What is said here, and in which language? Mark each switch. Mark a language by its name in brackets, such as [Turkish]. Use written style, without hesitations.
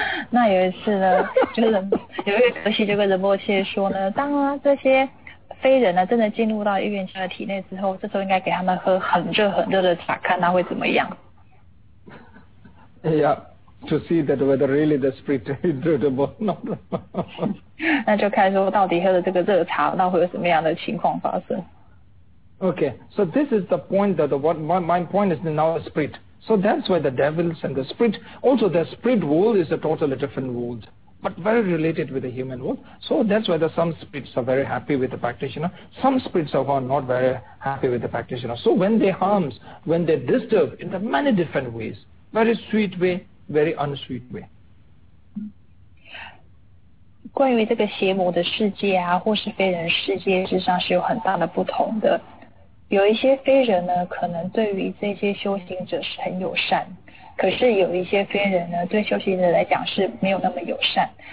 [Chinese] 那有一次呢，就是有一个格西就跟仁波切说呢，当啊这些飞人呢真的进入到预言家的体内之后，这时候应该给他们喝很热很热的茶，看他会怎么样。 [English] Yeah. To see that whether really the spirit is durable or not. 那就看说到底喝了这个热茶，那会有什么样的情况发生。 Okay, so this is the point that my point is now the spirit. So that's why the devils and the spirit, also the spirit world is a totally different world, but very related with the human world. So that's why some spirits are very happy with the practitioner. Some spirits are not very happy with the practitioner. So when they harm, when they disturb in the many different ways, very sweet way,very unsweet way. [Chinese] 关于这个邪魔的世界啊，或是非人世界，事实上是有很大的不同的。有一些非人呢，可能对于这些修行者是很友善，可是有一些非人呢，对修行者来讲是没有那么友善。